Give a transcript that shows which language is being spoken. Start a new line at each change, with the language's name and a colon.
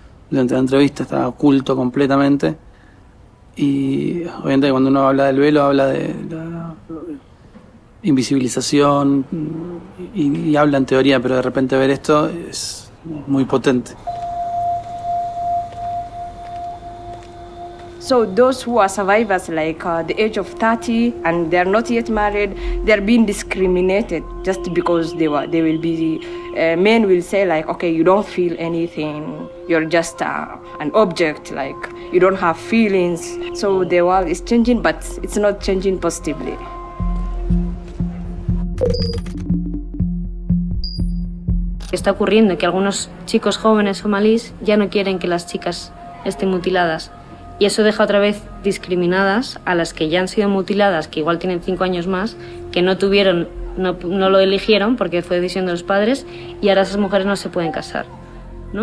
Spanish: Durante la entrevista estaba oculto completamente. Y obviamente cuando uno habla del velo, habla de la invisibilización y habla en teoría, pero de repente ver esto es muy potente.
English: So those who are survivors, like the age of 30 and they're not yet married, they're being discriminated just because they will be, men will say like, okay, you don't feel anything, you're just an object, like you don't have feelings. So the world is changing, but it's not changing positively.
Spanish: que está ocurriendo, que algunos chicos jóvenes somalíes ya no quieren que las chicas estén mutiladas. Y eso deja otra vez discriminadas a las que ya han sido mutiladas, que igual tienen 5 años más, que no tuvieron, no lo eligieron porque fue decisión de los padres, y ahora esas mujeres no se pueden casar, ¿no?